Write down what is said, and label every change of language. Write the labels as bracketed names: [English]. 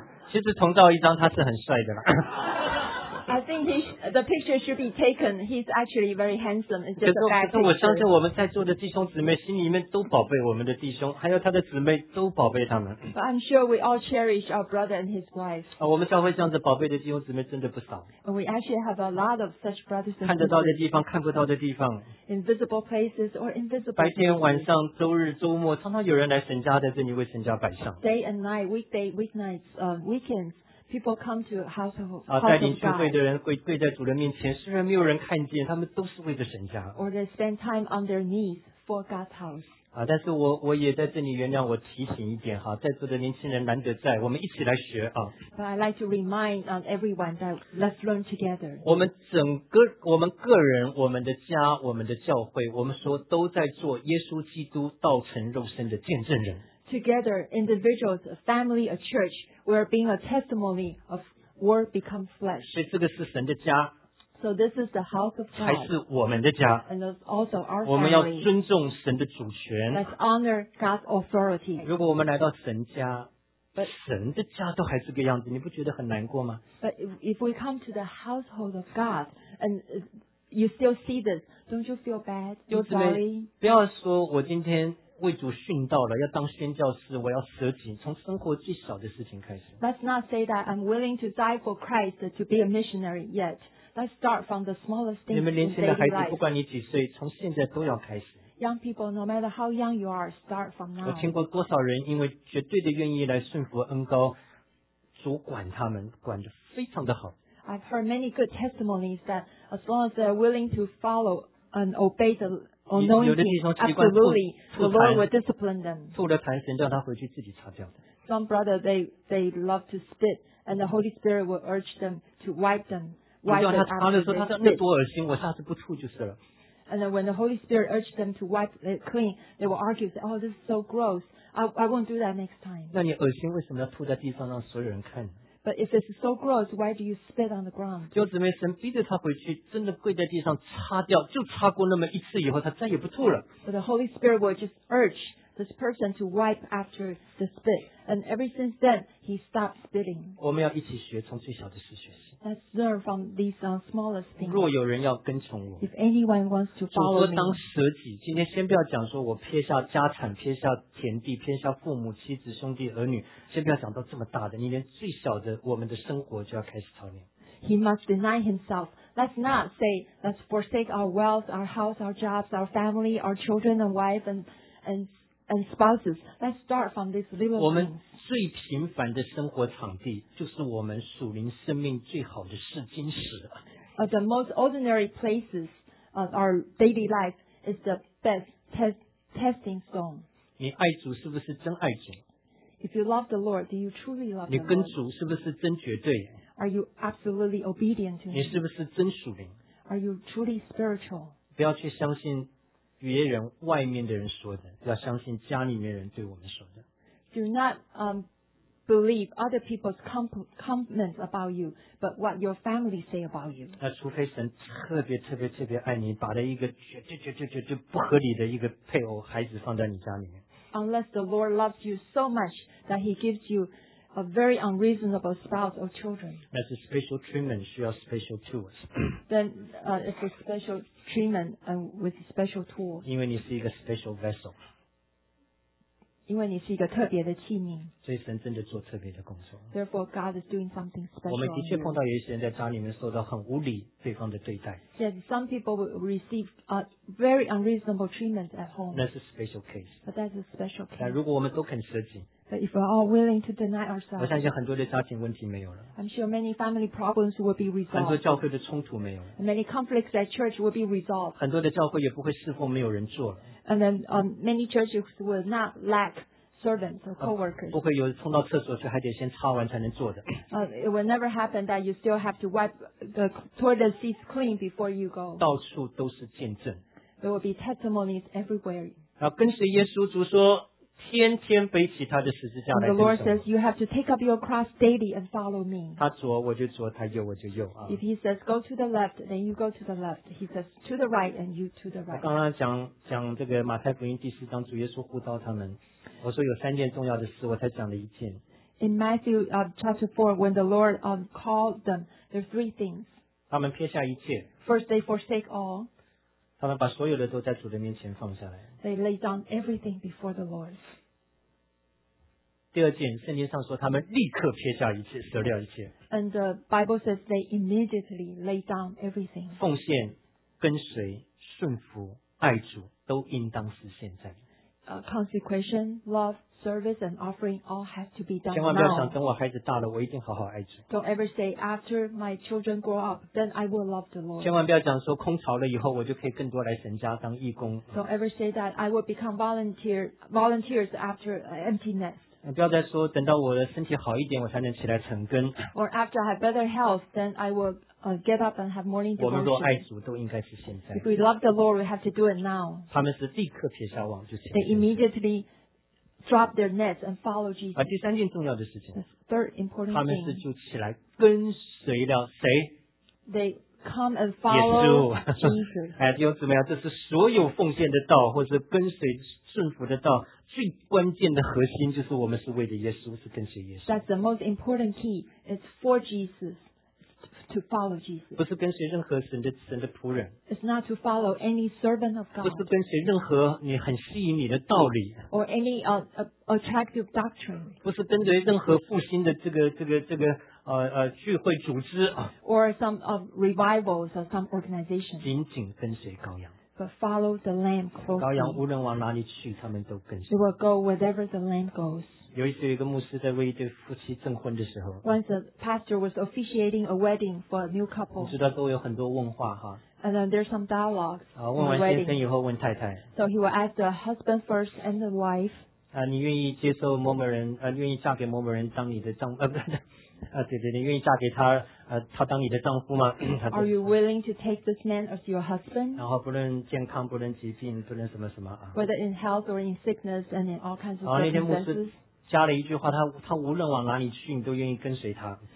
[Chinese] 其实重照一张他是很帅的了。 [English] I think the picture should be taken. He's actually very handsome. It's just a bad picture. [Chinese] 可是我相信我们在座的弟兄姊妹心里面都宝贝我们的弟兄，还有他的姊妹都宝贝他们。 [English] But I'm sure we all cherish our brother and his wife. [Chinese] 我们教会这样子宝贝的弟兄姊妹真的不少。 [English] But we actually have a lot of such brothers and sisters. [Chinese] 看得到的地方，看不到的地方。 [English] Invisible places or invisible [Chinese] 白天晚上周日周末常常有人来神家在这里为神家摆上。 [English] Day and night, weekday, weeknights, weekends, people come to household. [Chinese] 带领聚会的人跪在主人面前，虽然没有人看见，他们都是为着神家。 [English] Or they spend time on their knees for God's house. [Chinese] 但是我也在这里原谅我提醒一点哈，在座的年轻人难得在，我们一起来学啊。 [English] But I'd like to remind everyone that let's learn together. [Chinese] 我们整个我们个人我们的家我们的教会我们说都在做耶稣基督道成肉身的见证人。 [English] Together, individuals, a family, a church, we are being a testimony of word become flesh. [Chinese] 所以这个是神的家。 [English] So this is the house of God. [Chinese] 才是我们的家。 [English] And it's also our family. [Chinese] 我们要尊重神的主权。 [English] Let's honor God's authority. [Chinese] 如果我们来到神家，神的家都还是个样子，你不觉得很难过吗？ [English] But if we come to the household of God, and you still see this, don't you feel bad? Sorry. [Chinese] 不要说我今天为主殉道了，要当宣教士，我要舍己，从生活最小的事情开始。 [English] Let's not say that I'm willing to die for Christ to be a missionary yet. Let's start from the smallest things in daily life. [Chinese] 你们年轻的孩子，不管你几岁，从现在都要开始。 [English] Young people, no matter how young you are, start from now. [Chinese] 我听过多少人因为绝对的愿意来顺服恩膏，主管他们管得非常的好。 [English] I've heard many good testimonies that as long as they're willing to follow and obey the anointing, absolutely, the Lord will discipline them. [Chinese] 吐了痰，神叫他回去自己擦掉。 [English] Some brother they love to spit, and the Holy Spirit will urge them to wipe them. And then when the Holy Spirit urged them to wipe it clean, they will argue, say, oh, this is so gross. I won't do that next time. But if it's so gross, why do you spit on the ground? [Chinese] 就姊妹神逼着他回去，真的跪在地上擦掉，就擦过那么一次以后，他再也不吐了。 [English] So the Holy Spirit will just urge this person to wipe after the spit. And ever since then, he stopped spitting. [Chinese] 我们要一起学，从最小的事学习。 [English] Let's learn from these smallest things. [Chinese] 若有人要跟从我， [English] if anyone wants to follow me, [Chinese] 主说当舍己。今天先不要讲说我撇下家产，撇下田地，撇下父母、妻子、兄弟、儿女，先不要讲到这么大的。你连最小的我们的生活就要开始操练。 [English] He must deny himself. Let's not say let's forsake our wealth, our house, our jobs, our family, our children and wife and spouses. Let's start from this little things. [Chinese] 最平凡的生活场地就是我们属灵生命最好的试金石。 [English] The most ordinary places of our daily life is the best testing stone. [Chinese] 你爱主是不是真爱主？ [English] If you love the Lord, do you truly love the Lord? [Chinese] 你跟主是不是真绝对？ [English] Are you absolutely obedient to him? [Chinese] 你是不是真属灵？ [English] Are you truly spiritual? [Chinese] 不要去相信别人外面的人说的，要相信家里面人对我们说的。 [English] Do not believe other people's comments about you, but what your family say about you. [Chinese] 除非神特别特别特别爱你，把了一个绝不合理的一个配偶孩子放在你家里面。 [English] Unless the Lord loves you so much that He gives you a very unreasonable spouse or children. As a special treatment, she has special tools. Then it's a special treatment and with special tools. [Chinese] 因为你是一个 [English] special vessel. [Chinese] 因为你是一个特别的器皿。所以神正在做特别的工作。 [English] Therefore, God is doing something special. [Chinese] 我们的确碰到有一些人在家里面受到很无理对方的对待。 [English] Yet some people receive a very unreasonable treatment at home. That's a special case. But that's a special case. [Chinese] 但如果我们都肯舍己。 [English] But if we're all willing to deny ourselves, [Chinese] 我相信很多的家庭问题没有了。 [English] I'm sure many family problems will be resolved. [Chinese] 很多教会的冲突没有了。 [English] Many conflicts at church will be resolved. [Chinese] 很多的教会也不会侍奉没有人做了。 [English] And then many churches will not lack servants or co-workers. [Chinese] 不会有冲到厕所去还得先擦完才能做的。 [English] It will never happen that you still have to wipe the toilet seats clean before you go. [Chinese] 到处都是见证。 [English] There will be testimonies everywhere. [Chinese] 然后跟随耶稣主说。天天背起他的十字架来跟随。 [English] The Lord says you have to take up your cross daily and follow me. [Chinese] 他左我就左，他右我就右。 [English] If he says go to the left, then you go to the left. He says to the right, and you to the right. [Chinese] 我刚刚讲这个马太福音第四章，主耶稣呼召他们。我说有三件重要的事，我才讲了一件。 [English] In Matthew chapter 4, when the Lord called them, there are three things. [Chinese] 他们撇下一切。 [English] First, they forsake all. [Chinese] 他们把所有的都在主的面前放下来。 [English] They lay down everything before the Lord. [Chinese] 第二件，圣经上说他们立刻撇下一切，舍掉一切。 [English] And the Bible says they immediately lay down everything. [Chinese] 奉献、跟随、顺服、爱主，都应当是现在。 [English] Consecration, love, service, and offering all have to be done now. [Chinese] 千万不要想等我孩子大了，我一定好好爱主。 [English] Don't ever say after my children grow up, then I will love the Lord. [Chinese] 千万不要讲说空巢了以后，我就可以更多来神家当义工。 [English] Don't ever say that I will become volunteers after emptiness. [Chinese] 不要再说等到我的身体好一点，我才能起来成根。 [English] Or after I have better health, then I will get up and have morning devotion. [Chinese] 我们若爱主，都应该是现在。 [English] If we love the Lord, we have to do it now. [Chinese] 他们是立刻撇下网就起来。 [English] They immediately drop their nets and follow Jesus. [Chinese] 第三件重要的事情。 [English] The third important thing. [Chinese] 他们是就起来跟随了谁？ [English] They come and follow Jesus. [Chinese] 弟兄姊妹啊，这是所有奉献的道，或者跟随顺服的道。最关键的核心就是我们是为了耶稣，是跟随耶稣。 [English] That's the most important key. It's for Jesus, to follow Jesus. [Chinese] 不是跟随任何神的仆人。 [English] It's not to follow any servant of God. [Chinese] 不是跟随任何你很吸引你的道理。 [English] Or any attractive doctrine. [Chinese] 不是跟随任何复兴的这个聚会组织。 [English] Or some revivals or some organizations. [Chinese] 仅仅跟随羔羊。 [English] But follow the lamb closely. [Chinese] 羔羊无论往哪里去，他们都跟随。 [English] They will go wherever the lamb goes. [Chinese] 有一次，有一个牧师在为一对夫妻证婚的时候。 [English] Once a pastor was officiating a wedding for a new couple. [Chinese] 你知道都有很多问话哈。 [English] And then there's some dialogues. [Chinese] 问完先生以后，问太太。 [English] So he will ask the husband first and the wife. [Chinese] 你愿意接受某某人？愿意嫁给某某人当你的丈夫？你愿意嫁给他？他当你的丈夫吗？ [English] Are you willing to take this man as your husband? [Chinese] 然后不论健康，不论疾病，不论什么什么啊。 [English] Whether in health or in sickness and in all kinds of circumstances. [Chinese] 那天牧师加了一句话，他无论往哪里去，你都愿意跟随他。